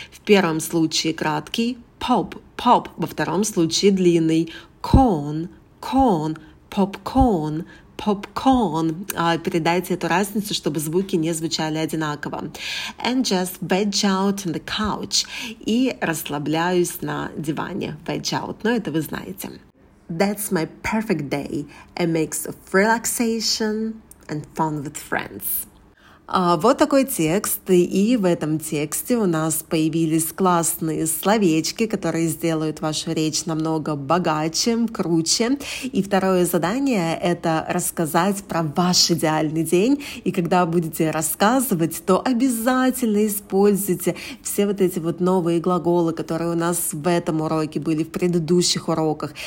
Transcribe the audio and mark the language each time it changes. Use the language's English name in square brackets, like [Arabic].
[Russian] В первом случае краткий «pop», «pop». Во втором случае длинный «corn», «corn», «popcorn». [English] Popcorn. [Russian] Передайте эту разницу, чтобы звуки не звучали одинаково. [English] And just veg out on the couch. [Russian] И расслабляюсь на диване. [English] Veg out. [Russian] Но это вы знаете. [English] That's my perfect day. A mix of relaxation and fun with friends. [Russian] Вот такой текст, и в этом тексте у нас появились классные словечки, которые сделают вашу речь намного богаче, круче. И второе задание — это рассказать про ваш идеальный день, и когда будете рассказывать, то обязательно используйте все вот эти вот новые глаголы, которые у нас в этом уроке были, в предыдущих уроках.